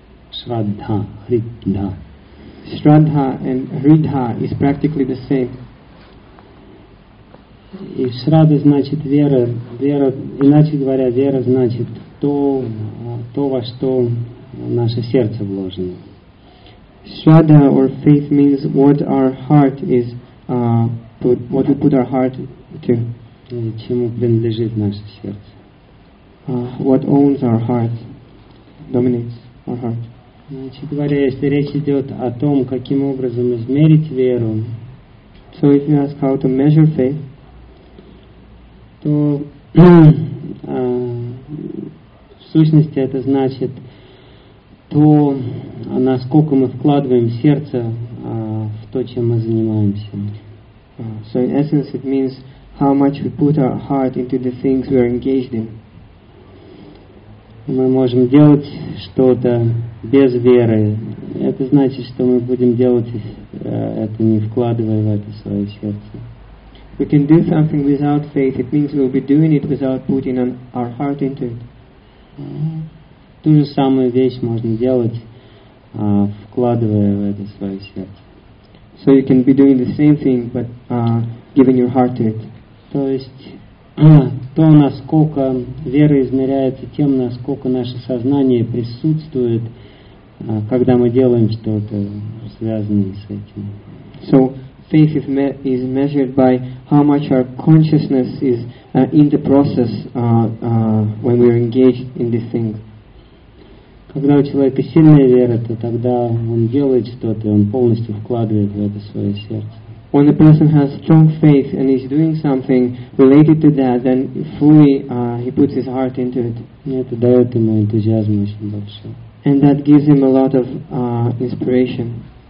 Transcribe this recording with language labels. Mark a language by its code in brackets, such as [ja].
[ru] Шрадха, хрит, да. [en] Shraddha and Ridha is practically the same. [ru] И Shraddha значит вера, вера, иначе говоря, вера значит то, во что наше сердце вложено. [en] Shraddha or faith means what our heart is put, what we put our heart to. [ru] Чему принадлежит наше сердце. [en] What owns our heart, dominates our heart. [ru] Значит говоря, если речь идет о том, каким образом измерить веру, [en] so if you ask how to measure faith, [ru] то в сущности это значит то, насколько мы вкладываем сердце в то, чем мы занимаемся. [en] So in essence it means how much we put our heart into the things we are engaged in. [ru] Мы можем делать что-то без веры. Это значит, что мы будем делать это, не вкладывая в это свое сердце. [en] We can do something without faith. It means we'll be doing it without putting our heart into it. [ru] Ту же самую вещь можно делать, вкладывая в это свое сердце. [en] So you can be doing the same thing, but giving your heart to it. [ru] То есть то, насколько вера измеряется тем, насколько наше сознание присутствует, когда мы делаем что-то, связанное с этим. [en] So, faith is measured by how much our consciousness is in the process when we are engaged in this thing. [ru] Когда у человека сильная вера, то тогда он делает что-то, он полностью вкладывает в это свое сердце. [en] When a person has strong faith and is doing something related to that, then fully he puts his heart into it. [ru] Это дает ему энтузиазм очень большой. [en] And that gives him a lot of inspiration.